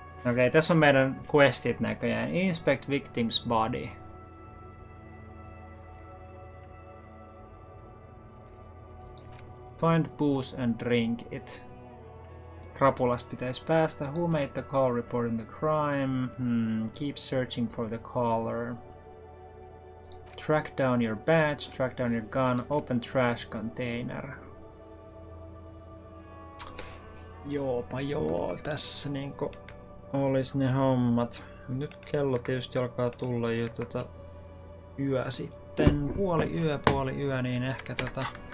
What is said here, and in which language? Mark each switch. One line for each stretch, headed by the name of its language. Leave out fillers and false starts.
Finnish: Okei, tässä on meidän questit näköjään.
English: Inspect victim's body. Find booze and drink it.
Finnish: Krapulas pitäisi päästä.
English: Who made the call reporting the crime? Keep searching for the caller. Track down your badge, track down your gun, open trash container.
Finnish: Joopa joo, tässä niinku olis ne hommat. Nyt kello tietysti alkaa tulla jo tota yö sitten. Puoli yö, niin ehkä tota...